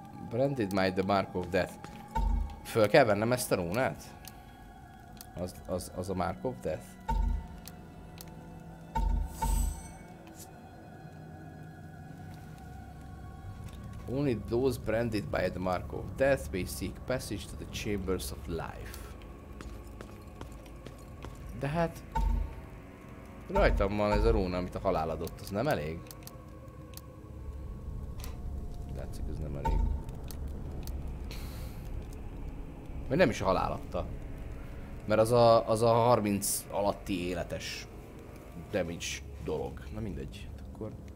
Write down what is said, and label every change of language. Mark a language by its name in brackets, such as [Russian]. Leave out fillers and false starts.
[English] Branded might the mark of death. [Hungarian] Föl kell vennem ezt a rúnát? Az a [English] mark of death. Only those branded by the mark of death may seek passage to the chambers of life. [Hungarian] De hát... rajtam van ez a rúna, amit a halál adott, az nem elég? Látszik, ez nem elég. Vagy nem is a halál adta. Mert az a 30 alatti életes damage dolog. Na mindegy, akkor...